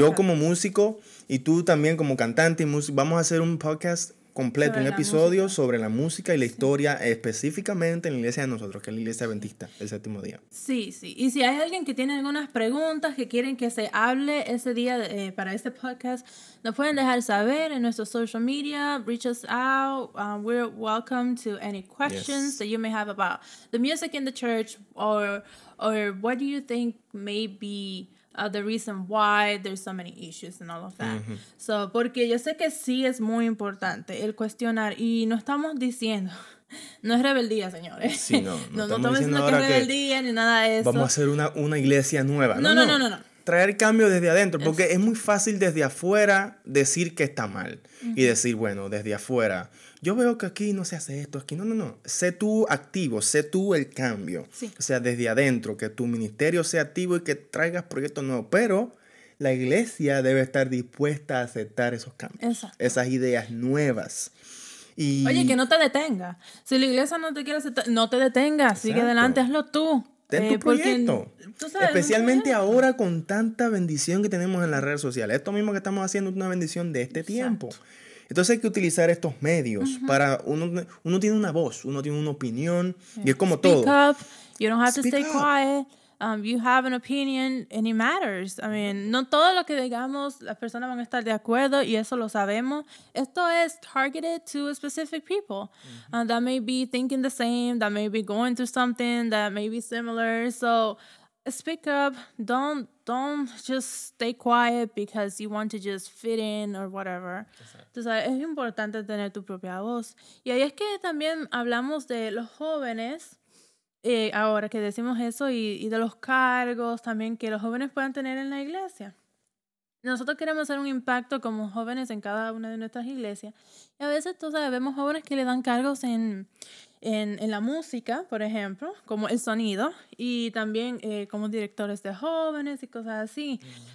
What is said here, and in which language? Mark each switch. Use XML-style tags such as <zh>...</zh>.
<es>Yo como músico y tú también como cantante y músico, vamos a hacer un podcast completo, sobre un episodio música. Sobre la música y la sí. historia específicamente en la iglesia de nosotros, que es la iglesia adventista, el séptimo día. Sí, sí. Y si hay alguien que tiene algunas preguntas que quieren que se hable ese día para este podcast, nos pueden dejar saber en nuestros social media,</es> <en>reach us out. We're welcome to any questions yes. that you may have about the music in the church or what do you think may be the reason why there's so many issues and all of that. Mm-hmm.</en> <es>So, porque yo sé que sí es muy importante el cuestionar y no estamos diciendo, no es rebeldía, señores. Sí, no estamos diciendo que es rebeldía ni nada de eso. Vamos a hacer una iglesia nueva. No. Traer cambio desde adentro, porque es muy fácil desde afuera decir que está mal uh-huh. y decir, bueno, desde afuera, yo veo que aquí no se hace esto, aquí no. Sé tú activo, sé tú el cambio. Sí. O sea, desde adentro, que tu ministerio sea activo y que traigas proyectos nuevos, pero la iglesia debe estar dispuesta a aceptar esos cambios, exacto. esas ideas nuevas. Y... Oye, que no te detenga. Si la iglesia no te quiere aceptar, no te detenga, sigue exacto. adelante, hazlo tú. Ten tu proyecto. Porque, sabes, especialmente ahora con tanta bendición que tenemos en las redes sociales. Esto mismo que estamos haciendo es una bendición de este exacto. tiempo. Entonces hay que utilizar estos medios uh-huh. para... Uno tiene una voz, uno tiene una opinión yeah. y es como</es> <en>speak</en> <es>todo.</es> <en>Speak up. You don't have to stay up. Quiet. you have an opinion and it matters. I mean,</en> <es>no todo lo que digamos las personas van a estar de acuerdo y eso lo sabemos. Esto es</es> <en>targeted to a specific people. Mm-hmm. That may be thinking the same, that may be going through something, that may be similar. So speak up. Don't just stay quiet because you want to just fit in or whatever.</en> <es>Entonces, es importante tener tu propia voz. Y ahí es que también hablamos de los jóvenes, ahora que decimos eso, y de los cargos también que los jóvenes puedan tener en la iglesia. Nosotros queremos hacer un impacto como jóvenes en cada una de nuestras iglesias. Y a veces, tú sabes, vemos jóvenes que le dan cargos en la música, por ejemplo, como el sonido, y también como directores de jóvenes y cosas así. Uh-huh.</es>